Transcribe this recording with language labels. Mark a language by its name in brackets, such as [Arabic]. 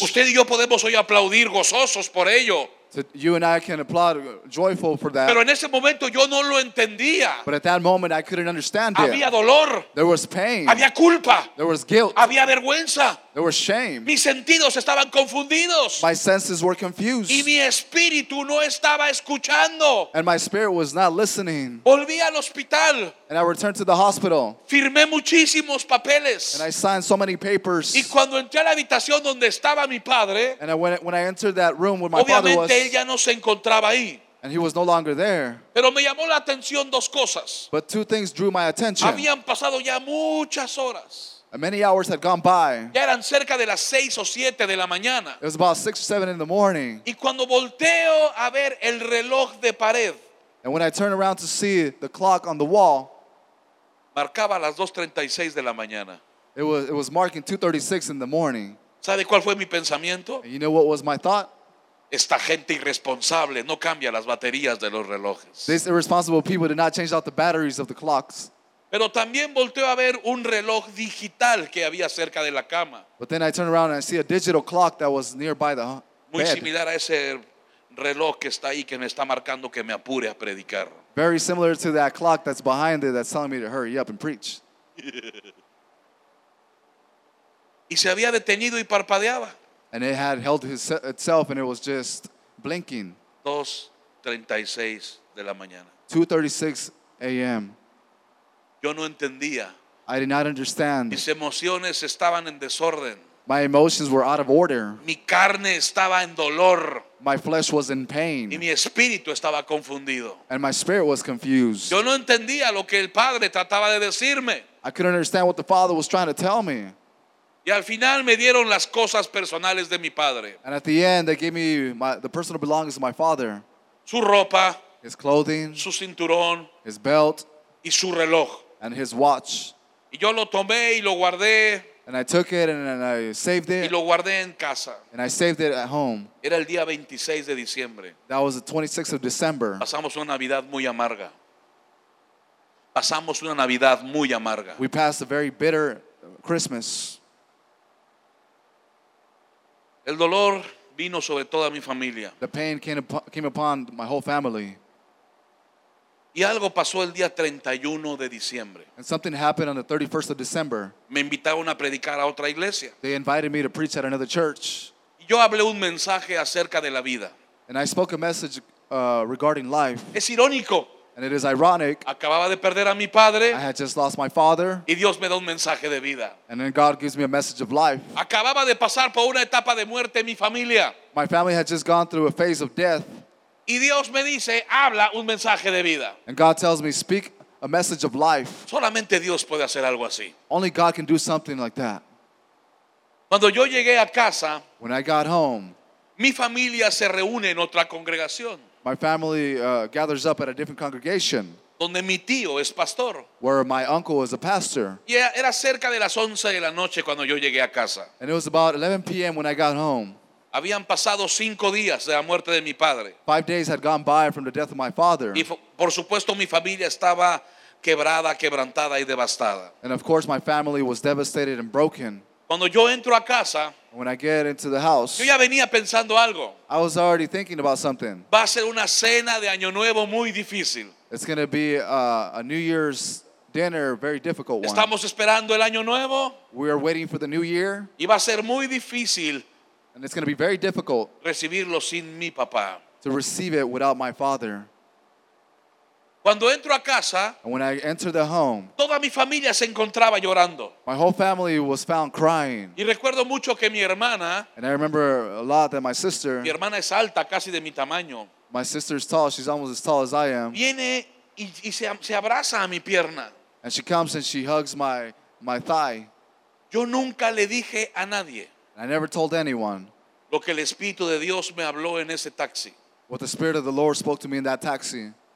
[Spanish] Usted y yo podemos hoy aplaudir gozosos por ello. [English] So you and I can applaud joyful for that. [Spanish] Pero en ese momento yo no lo entendía. [English] But at that moment I couldn't understand it. [Spanish] Había dolor. [English] There was pain. [Spanish] Había culpa. [English] There was guilt. [Spanish] Había vergüenza. [English] There was shame. [Spanish] Mis sentidos estaban confundidos. [English] My senses were confused. [Spanish] Y mi espíritu no estaba escuchando. [English] And my spirit was not listening. [Spanish] Volví al hospital. [English] And I returned to the hospital. [Spanish] Firmé muchísimos papeles. [English] And I signed so many papers. [Spanish] Y cuando entré a la habitación donde estaba mi padre, [English] and I went, when I entered that room where my [Spanish] obviamente [English] father was, [Spanish] él ya no se encontraba ahí. [English] And he was no longer there. [Spanish] Pero me llamó la atención dos cosas. [English] But two things drew my attention. [Spanish] Habían pasado ya muchas horas. [English] And many hours had gone by. [Spanish] Ya eran cerca de las 6 o 7 de la mañana. [English] It was about 6 or 7 in the morning. [Spanish] Y cuando volteo a ver el reloj de pared, [English] and when I turned around to see the clock on the wall, [Spanish] marcaba las 2:36 de la mañana. [English] It was marking 2:36 in the morning. [Spanish] ¿Sabe cuál fue mi pensamiento? [English] And you know what was my thought? [Spanish] Esta gente irresponsable no cambia las baterías de los relojes. [English] These irresponsible people did not change out the batteries of the clocks. [Spanish] Pero también volteo a ver un reloj digital que había cerca de la cama. [English] But then I turned around and I see a digital clock that was nearby the [Spanish] muy [English] bed. [Spanish] Muy similar a ese reloj que está ahí que me está marcando que me apure a predicar. [English] Very similar to that clock that's behind it that's telling me to hurry up and preach. [Spanish] Y se había detenido y parpadeaba. [English] And it had held itself and it was just blinking. [Spanish] 2:36 de la mañana. [English] 2:36 a.m. [Spanish] Yo no entendía. [English] I did not understand. [Spanish] Mis emociones estaban en desorden. [English] My emotions were out of order. [Spanish] Mi carne estaba en dolor. [English] My flesh was in pain. [Spanish] Y mi espíritu estaba confundido. [English] And my spirit was confused. [Spanish] Yo no entendía lo que el padre trataba de decirme. [English] I couldn't understand what the father was trying to tell me. [Spanish] Y al final me dieron las cosas personales de mi padre. [English] And at the end they gave me the personal belongings of my father. [Spanish] Su ropa. [English] His clothing. [Spanish] Su cinturón. [English] His belt. [Spanish] Y su reloj. [English] And his watch. [Spanish] Y yo lo tomé y lo guardé. [English] And I took it and I saved it. [Spanish] Y lo guardé en casa. [English] And I saved it at home. [Spanish] Era el día 26 de diciembre. [English] That was the 26th of December. [Spanish] Pasamos una Navidad muy amarga. Pasamos una Navidad muy amarga. [English] We passed a very bitter Christmas. [Spanish] El dolor vino sobre toda mi familia. [English] The pain came upon my whole family. [Spanish] Y algo pasó el día 31 de diciembre. [English] And something happened on the 31st of December. [Spanish] Me invitaron a predicar a otra iglesia. [English] They invited me to preach at another church. [Spanish] Y yo hablé un mensaje acerca de la vida. [English] And I spoke a message regarding life. [Spanish] Es irónico. [English] And it is ironic. [Spanish] Acababa de perder a mi padre. [English] I had just lost my father. [Spanish] Y Dios me da un mensaje de vida. [English] And then God gives me a message of life. [Spanish] Acababa de pasar por una etapa de muerte mi familia. [English] My family had just gone through a phase of death. [Spanish] Y Dios me dice, habla un mensaje de vida. [English] And God tells me, speak a message of life. [Spanish] Solamente Dios puede hacer algo así. [English] Only God can do something like that. [Spanish] Cuando yo llegué a casa, [English] when I got home, [Spanish] mi familia se reúne en otra congregación. [English] My family gathers up at a different congregation. [Spanish] Donde mi tío es pastor. [English] Where my uncle was a pastor. [Spanish] Y era cerca de las 11 de la noche cuando yo llegué a casa. [English] And it was about 11 p.m. when I got home. [Spanish] Habían pasado 5 días de la muerte de mi padre. [English] 5 days had gone by from the death of my father. [Spanish] Y por supuesto mi familia estaba quebrada, quebrantada y devastada. [English] And of course my family was devastated and broken. [Spanish] Cuando yo entro a casa, [English] when I get into the house, [Spanish] yo ya venía pensando algo. [English] I was already thinking about something. [Spanish] Va a ser una cena de Año Nuevo muy difícil. [English] It's going to be a New Year's dinner, very difficult one. [Spanish] Estamos esperando el Año Nuevo. [English] We are waiting for the New Year. [Spanish] Y va a ser muy difícil. [English] And it's going to be very difficult [Spanish] recibirlo sin mi papá. [English] To receive it without my father. [Spanish] Cuando entro a casa, [English] and when I enter the home, [Spanish] toda mi familia se encontraba llorando. [English] My whole family was found crying. [Spanish] Y recuerdo mucho que mi hermana, [English] and I remember a lot that my sister, [Spanish] mi hermana es alta, casi de mi tamaño. [English] My sister is tall, she's almost as tall as I am. [Spanish] Viene y se abraza a mi pierna. [English] And she comes and she hugs my thigh. [Spanish] Yo nunca le dije a nadie. [English] I never told anyone [Spanish] lo que el Espíritu de Dios me habló en ese taxi. [English] What the Spirit of the Lord spoke to me in that taxi.